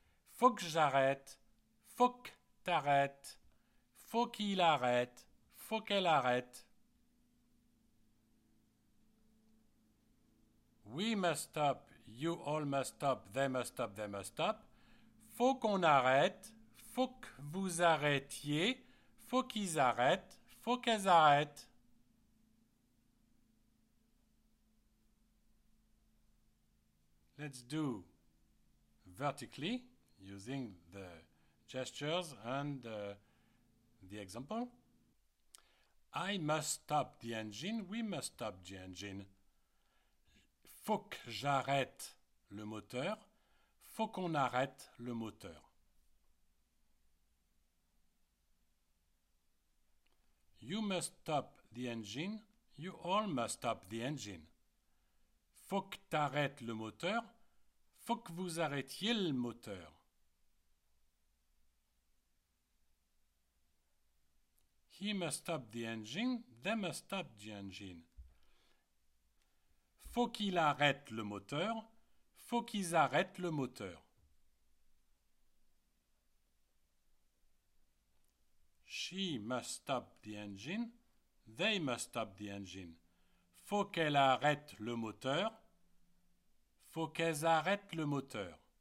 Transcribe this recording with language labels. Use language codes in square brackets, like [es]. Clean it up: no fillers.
[fr] Faut que j'arrête, faut que t'arrêtes, faut qu'il arrête, faut qu'elle arrête. [en] We must stop, you all must stop, they must stop, they must stop. [fr] Faut qu'on arrête, faut que vous arrêtiez, faut qu'ils arrêtent, faut qu'elles arrêtent. [en] Let's do vertically using the gestures and the example. I must stop the engine, we must stop the engine. [fr] Faut que j'arrête le moteur, faut qu'on arrête le moteur. [en] You must stop the engine, you all must stop the engine. [fr] Faut que t'arrêtes le moteur, faut que vous arrêtiez le moteur. [en] He must stop the engine, they must stop the engine. [fr] Faut qu'il arrête le moteur, faut qu'ils arrêtent le moteur. [en] She must stop the engine, they must stop the engine. [fr] Faut qu'elle arrête le moteur, faut qu'elles arrêtent le moteur.